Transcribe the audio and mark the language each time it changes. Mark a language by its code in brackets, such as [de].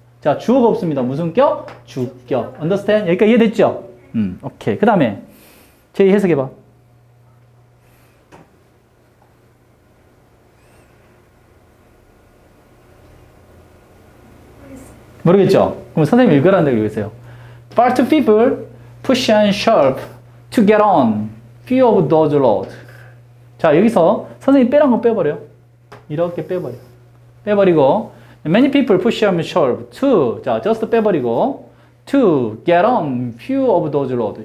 [ko] 자, 주어가 없습니다. 무슨 격? 주격. Understand? 여기까지 이해됐죠? 오케이. 그 다음에 제이 해석해봐. 모르겠죠? 그럼 선생님이 읽으라는 데 읽으세요. [en] Far too people push and shove to get on few of those roads. [ko] 자, 여기서 선생님이 빼란 거 빼버려요. 이렇게 빼버리고 [en] Many people push and shove to [ko] 자, [en] just 빼버리고 to get on few of those roads.